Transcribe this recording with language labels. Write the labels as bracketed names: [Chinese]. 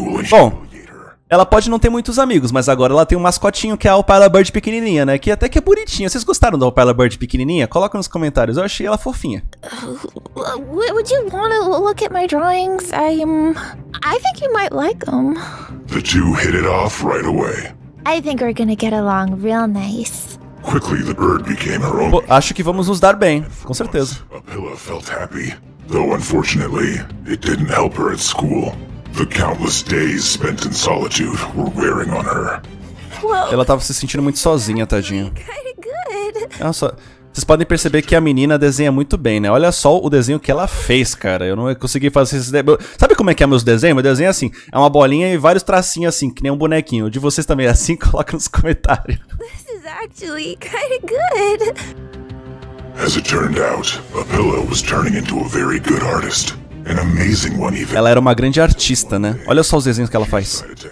[Portuguese] Bom, ela pode não ter muitos amigos, mas agora ela tem um mascotinho que é a Opaila Bird pequenininha, né? Que até que é bonitinha. Vocês gostaram da Opaila Bird pequenininha? Coloca nos comentários. Eu achei ela fofinha. [English] Would you want to look at my drawings? I think you might like them. The two hit it off right away. I think we're gonna get along real nice. Quickly, the bird became her own. [Portuguese] Acho que vamos nos dar bem, com certeza. [English] Opaila felt happy, though unfortunately, it didn't help her at school. The countless days spent in solitude were wearing on her. [Portuguese] Ela tava se sentindo muito sozinha, tadinha. Olha só, vocês podem perceber que a menina desenha muito bem, né? Olha só o desenho que ela fez, cara. Eu não consegui fazer esse desenho. Sabe como é que é meus desenhos? Meu desenho é assim, é uma bolinha e vários tracinhos assim, que nem um bonequinho. O de vocês também é assim? Coloca nos comentários. [English] Actually, kind of good. As it turned out, Opaila was turning into a very good artist, An amazing one, even. [Portuguese] Ela era uma grande artista, né? Olha só os desenhos que ela faz.